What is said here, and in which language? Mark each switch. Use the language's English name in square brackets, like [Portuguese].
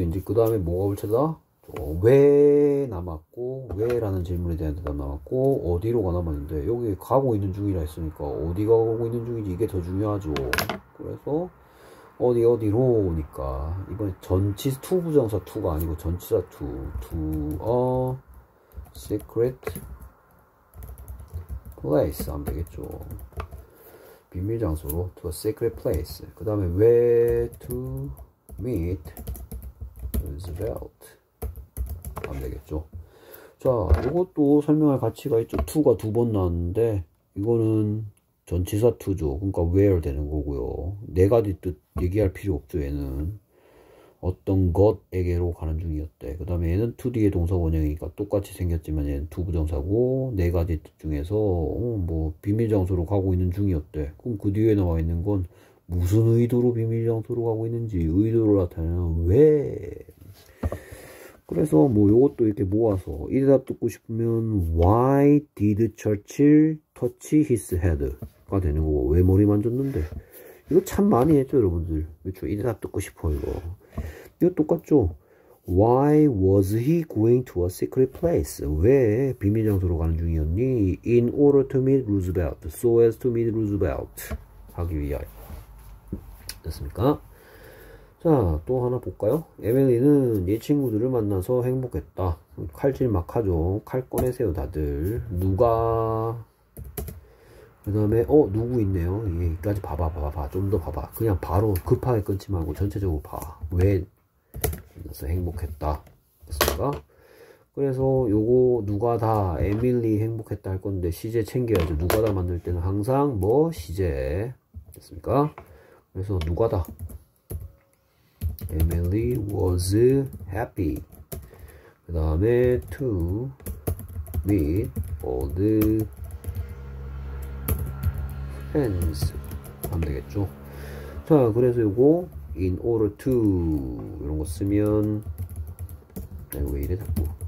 [Korean] 이제 그 다음에 뭐가 붙여다? 왜 남았고, 왜라는 질문에 대한 대답 남았고, 어디로가 남았는데, 여기 가고 있는 중이라 했으니까 어디가 가고 있는 중이지 이게 더 중요하죠. 그래서 어디 어디로니까 이번에 전치 투부정사 투가 아니고 전치사 투. [English] To a secret place [Korean] 하면 되겠죠. 비밀 장소로 [English] to a secret place. [Korean] 그 다음에 [English] where to meet [Korean] 루즈벨트 하면 되겠죠. 자, 이것도 설명할 가치가 있죠. 2가 두번 나왔는데 이거는 전치사 2죠. 그러니까 where 되는 거고요. 네 가지 뜻 얘기할 필요 없죠. 얘는 어떤 것에게로 가는 중이었대. 그 다음에 얘는 to 뒤에 동사 원형이니까 똑같이 생겼지만 얘는 to 부정사고 네 가지 뜻 중에서 뭐 비밀 장소로 가고 있는 중이었대. 그럼 그 뒤에 나와 있는 건 무슨 의도로 비밀 장소로 가고 있는지 의도를 나타내는 왜. 그래서 뭐 요것도 이렇게 모아서 이 대답 듣고 싶으면 [English] Why did Churchill touch his head [Korean] 가 되는 거고, 왜 머리 만졌는데. 이거 참 많이 했죠 여러분들. 그렇죠? 이 대답 듣고 싶어 이거. 이거 똑같죠. [English] Why was he going to a secret place? [Korean] 왜 비밀 장소로 가는 중이었니? [English] In order to meet Roosevelt. So as to meet Roosevelt [Korean] 하기 위하여. 됐습니까? 자, 또 하나 볼까요? 에밀리는 얘 친구들을 만나서 행복했다. 칼질 막 하죠. 칼 꺼내세요, 다들. 누가? 그 다음에, 누구 있네요. 여기까지 봐봐, 봐봐, 봐. 좀더 봐봐. 그냥 바로 급하게 끊지 말고 전체적으로 봐. 왜 만나서 행복했다. 됐습니까? 그래서 요거, 누가 다, 에밀리 행복했다 할 건데, 시제 챙겨야죠. 누가 다 만들 때는 항상 뭐, 시제. 됐습니까? 그래서 누가 다. [English] Emily was happy. 그 다음에 to meet old [Korean] friends. 안 되겠죠? 자, 그래서 요거 in order to 이런 거 쓰면 아, 왜 이래 자꾸.